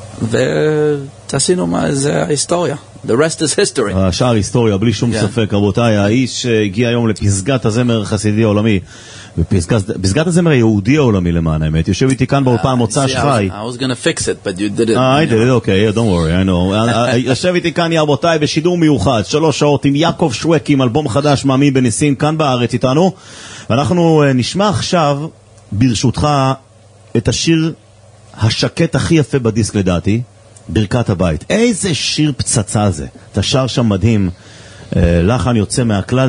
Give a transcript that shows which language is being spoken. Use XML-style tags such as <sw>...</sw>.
<he>ותעשינו מה זה ההיסטוריה.</he> <en>The rest is history.</en> <he>השאר היסטוריה, בלי שום ספק, רבותיי. האיש הגיע היום לפסגת הזמר החסידי העולמי. פסגת הזמר היהודי העולמי, למען האמת. יושב איתי כאן באולפן מוצא שחי.</he> <en>I was gonna fix it, but you did it. I did it, okay, don't worry, I know.</en> <he>יושב איתי כאן, רבותיי, בשידור מיוחד. שלוש שעות עם יעקב שווקי, עם אלבום חדש, מאמין בניסים, כאן בארץ איתנו. ואנחנו נשמע עכשיו, ברשותך, את השיר השקט הכי יפה בדיסק לדעתי, ברכת הבית. איזה שיר פצצה זה. אתה שר שם מדהים. לחן יוצא מהכלל.</he>